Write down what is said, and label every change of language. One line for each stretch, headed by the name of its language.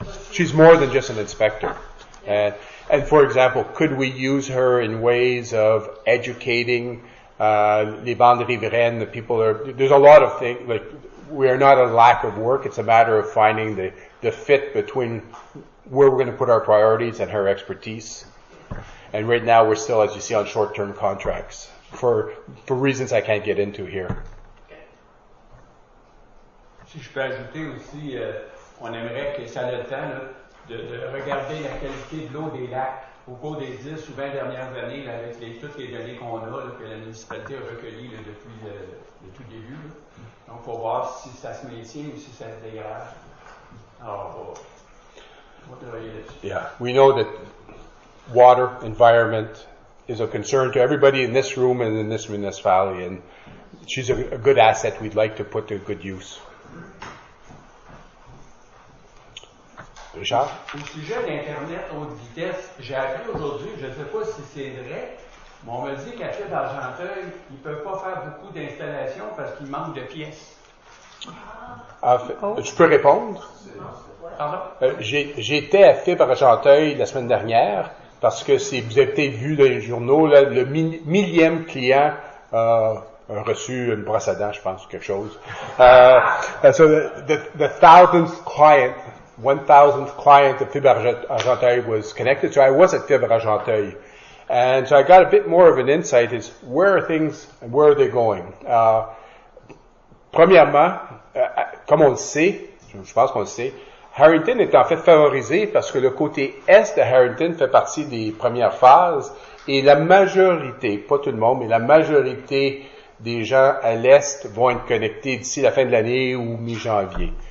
English: She's more than just an inspector. And for example, could we use her in ways of educating
French: les bandes riveraines,
English: the people are, there's a lot of things, like, we are not a lack of work. It's a matter of finding the fit between where we're going to put our priorities and her expertise. And right now we're still, as you see, on short-term contracts for reasons I can't get into here.
French: Si je peux ajouter aussi, on aimerait que ça le temps là, de regarder la qualité de l'eau des lacs au cours des 10 ou 20 dernières années là, avec toutes les données qu'on a là, que la municipalité a recueillies là, depuis le tout début. Là. Donc pour voir si ça se maintient ou si ça se dégrade. Alors, on travaille là-dessus.
English: Yeah, we know that water, environment is a concern to everybody in this room and in this municipality, and she's a good asset we'd like to put to good use. Richard?
French: Au sujet d'Internet haute vitesse, j'ai appris aujourd'hui, je ne sais pas si c'est vrai, mais on me dit qu'à Fille d'Argenteuil, ils ne peuvent pas faire beaucoup d'installations parce qu'il manque de pièces. Je peux répondre? Pardon? J'étais à Fille d'Argenteuil la semaine dernière. Parce que si vous avez peut-être vu dans les journaux, là, le millième client a reçu une brosse à dents, je pense, quelque chose.
English: So the thousandth client, 1,000th client of Fibre Argenteuil was connected. So I was at Fibre Argenteuil. And so I got a bit more of an insight is where are things, where are they going?
French: Premièrement, comme on le sait, je pense qu'on le sait, Harrington est en fait favorisé parce que le côté est de Harrington fait partie des premières phases et la majorité, pas tout le monde, mais la majorité des gens à l'est vont être connectés d'ici la fin de l'année ou mi-janvier.